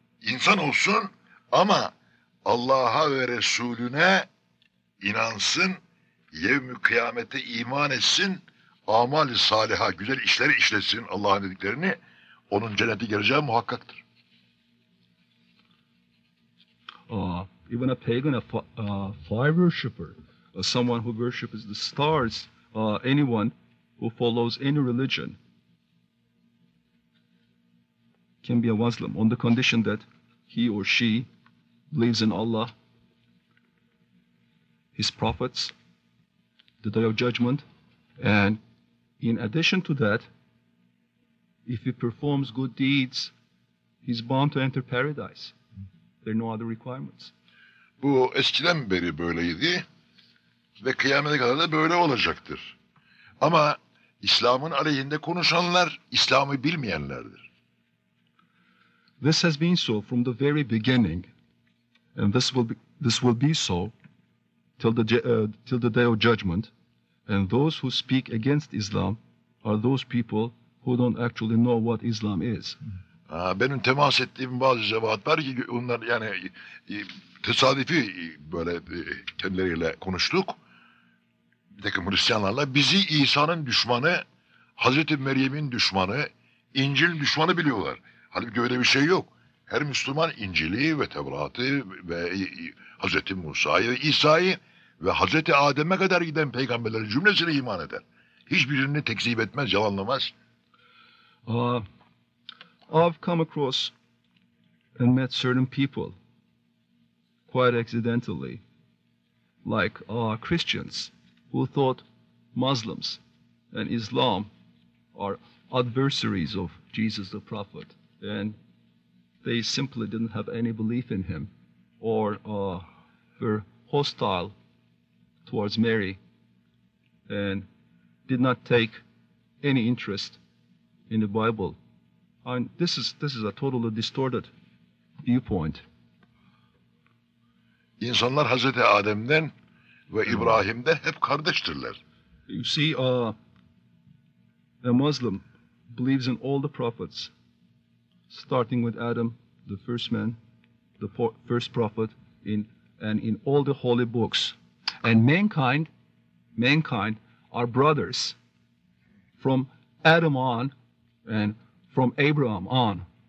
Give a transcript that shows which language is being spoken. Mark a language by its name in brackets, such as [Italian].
[Turkish] İnsan olsun ama Allah'a ve Resulüne inansın. Yevmi kıyamete iman etsin, amal-i saliha, güzel işleri işlesin Allah'ın dediklerini, onun cennete geleceği muhakkaktır. [English] Even a pagan, a fire worshipper, someone who worships the stars, anyone who follows any religion can be a Muslim on the condition that he or she believes in Allah, his prophets, the Day of Judgment, and in addition to that, if he performs good deeds, he's bound to enter paradise. There are no other requirements. [Turkish] Bu eskiden beri böyleydi ve kıyamete kadar da böyle olacaktır. Ama İslam'ın aleyhinde konuşanlar İslam'ı bilmeyenlerdir. [English] This has been so from the very beginning, and this will be so till the day of judgment, and those who speak against Islam are those people who don't actually know what Islam is. [Turkish] Benim temas ettiğim bazı cemaatler ki onlar yani tesadüfi böyle kendileriyle konuştuk. Bir takım Hristiyanlarla bizi İsa'nın düşmanı, Hazreti Meryem'in düşmanı, İncil'in düşmanı biliyorlar. Halbuki öyle bir şey yok. Her Müslüman İncil'i ve Tevrat'ı ve Hazreti Musa'yı ve İsa'yı ve Hazreti Adem'e kadar giden peygamberlerin cümlesine iman eder. Hiçbirini tekzip etmez, yalanlamaz. [English] I've come across and met certain people quite accidentally, like Christians who thought Muslims and Islam are adversaries of Jesus the Prophet, and they simply didn't have any belief in him or were hostile towards Mary and did not take any interest in the Bible. And this is a totally distorted viewpoint. [Turkish] İnsanlar Hazreti Adem'den ve İbrahim'den hep kardeştirler. [English] You see, a Muslim believes in all the prophets, starting with Adam, the first man, the first prophet, in all the holy books. And mankind are brothers from Adam on and from Abraham on.